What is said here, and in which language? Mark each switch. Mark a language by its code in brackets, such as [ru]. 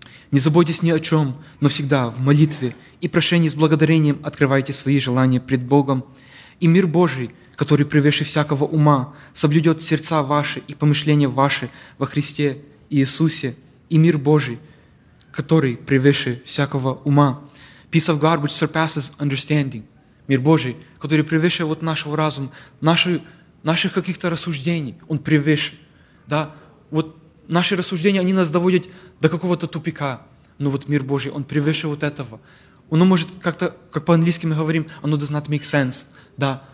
[ru] «Не заботьтесь ни о чем, но всегда в молитве и прошении с благодарением открывайте свои желания пред Богом, и мир Божий, который превыше всякого ума, соблюдет сердца ваши и помышления ваши во Христе Иисусе, и мир Божий, который превыше всякого ума». [en] Peace of God, which surpasses understanding. [ru] Мир Божий, который превыше вот нашего разума, наших каких-то рассуждений, он превыше. Да? Вот наши рассуждения, они нас доводят до какого-то тупика. Но вот мир Божий, он превыше вот этого. Оно может как-то, как по-английски мы говорим, оно [en] does not make sense. [ru] Да?